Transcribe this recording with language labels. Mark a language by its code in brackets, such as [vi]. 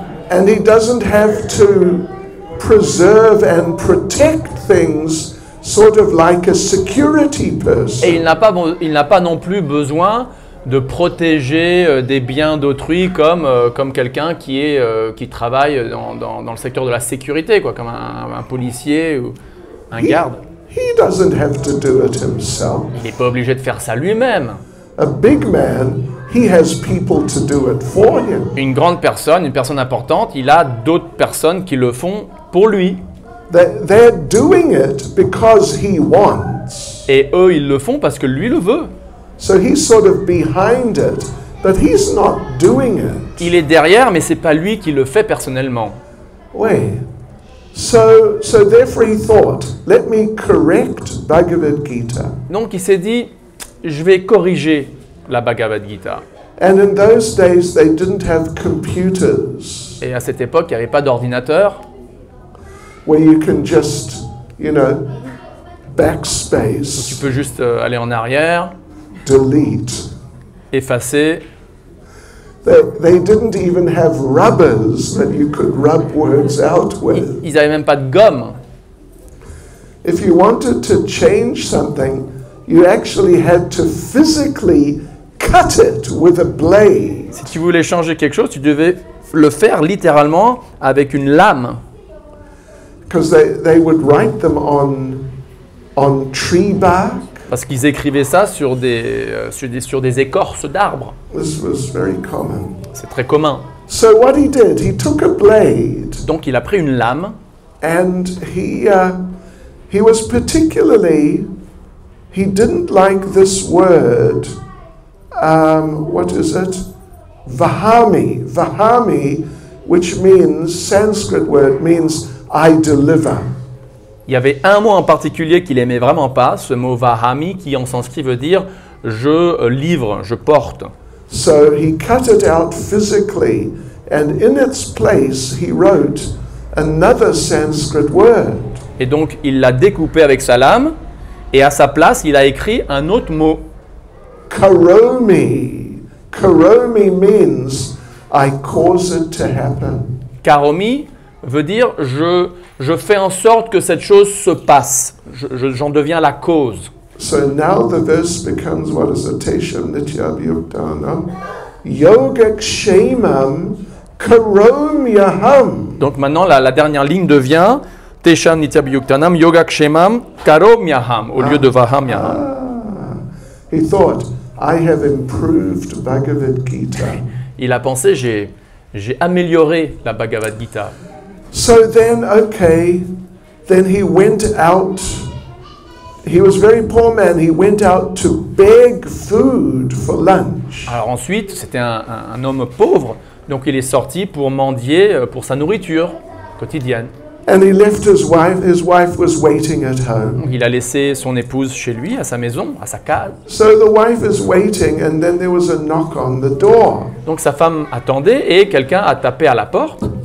[en] And he doesn't have to preserve and protect things sort of like a security person. [fr] Et il n'a pas non plus besoin de protéger des biens d'autrui comme quelqu'un qui travaille dans le secteur de la sécurité, quoi, comme un policier ou un garde. [en] He doesn't have to do it himself. [fr] Il n'est pas obligé de faire ça lui-même. [en] A big man, he has people to do it for him. [fr] Une grande personne, une personne importante, il a d'autres personnes qui le font pour lui. [en] They're doing it because he wants. [fr] Et eux, ils le font parce que lui le veut. [en] So he's sort of behind it, but he's not doing it. [fr] Il est derrière, mais c'est pas lui qui le fait personnellement. [en] Oui. So therefore he thought, let me correct Bhagavad Gita. [fr] Donc il s'est dit, je vais corriger la Bhagavad Gita. [en] And in those days they didn't have computers. [fr] Et à cette époque, il n'y avait pas d'ordinateur. [en] Where you can just, you know, backspace. [fr] Tu peux juste aller en arrière. [en] Delete. [fr] Effacer. [en] They didn't even have rubbers that you could rub words out with. [fr] Ils n'avaient même pas de gomme. [en] If you wanted to change something, you actually had to physically cut it with a blade. [fr] Si tu voulais changer quelque chose, tu devais le faire littéralement avec une lame. [en] Because they would write them on tree bark. [fr] Parce qu'ils écrivaient ça sur des écorces d'arbres. [en] This was very common. [fr] C'est très commun. [en] So what he did, he took a blade. [fr] Donc il a pris une lame. [en] And he was particularly, he didn't like this word. What is it? Vahami, which means Sanskrit word means I deliver. [fr] Il y avait un mot en particulier qu'il aimait vraiment pas, ce mot vahami qui en sanskrit veut dire je livre, je porte. [en] So he cut it out physically and in its place he wrote another Sanskrit word. [fr] Et donc il l'a découpé avec sa lame et à sa place il a écrit un autre mot. [en] Karomi. Karomi means I cause it to happen. [fr] Karomi veut dire je fais en sorte que cette chose se passe. J'en deviens la cause. [en] So now the verse becomes what is it? [sa] Tesham nityabhyuktana. Yogakshemam karomyaham. [fr] Donc maintenant la dernière ligne devient [sa] Teshan Nityabhyuktanam Yogakshemam Karomyaham, [fr] au lieu de Vahamyaham. [en] He thought, I have improved Bhagavad Gita. [fr] Il a pensé, j'ai amélioré la Bhagavad Gita. [en] So then, okay, then he went out. He was a very poor man. He went out to beg food for lunch. [fr] Alors ensuite, c'était un homme pauvre, donc il est sorti pour mendier pour sa nourriture quotidienne. [en] And he left his wife. His wife was waiting at home. [fr] Il a laissé son épouse chez lui, à sa maison, à sa case. [en] So the wife is waiting, and then there was a knock on the door. [fr] Donc sa femme attendait et quelqu'un a tapé à la porte.